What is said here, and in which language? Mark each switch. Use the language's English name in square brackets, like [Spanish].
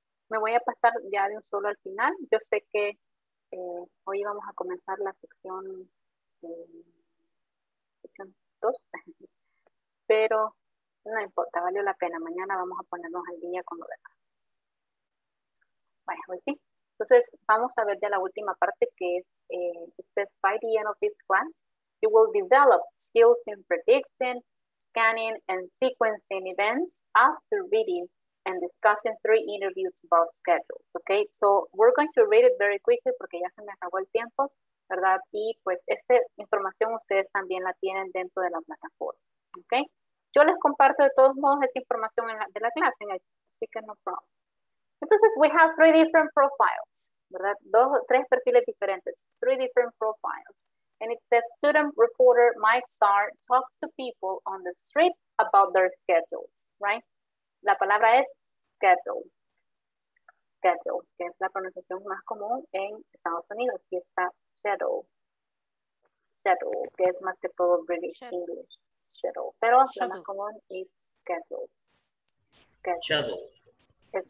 [Spanish] Me voy a pasar ya de un solo al final. Yo sé que hoy vamos a comenzar la sección 2, pero no importa, valió la pena. Mañana vamos a ponernos al día con lo demás. Bueno, pues sí. Entonces, vamos a ver ya la última parte que es, [English] it says, by the end of this class, you will develop skills in predicting, scanning, and sequencing events after reading and discussing 3 interviews about schedules, okay? So, we're going to read it very quickly [Spanish] porque ya se me acabó el tiempo, ¿verdad? Y pues, esta información ustedes también la tienen dentro de la plataforma, okay? Yo les comparto de todos modos esa información en la, de la clase, así que [English] no problem. Entonces, we have 3 different profiles, ¿verdad? [Spanish] 3 perfiles diferentes, [English] 3 different profiles. And it says, student reporter Mike Starr talks to people on the street about their schedules, right? [Spanish] La palabra es schedule. Schedule, que es la pronunciación más común en Estados Unidos. Y está schedule. Schedule, que es más que todo British English. Schedule. Pero lo más común es schedule. [English] Schedule. Schedule.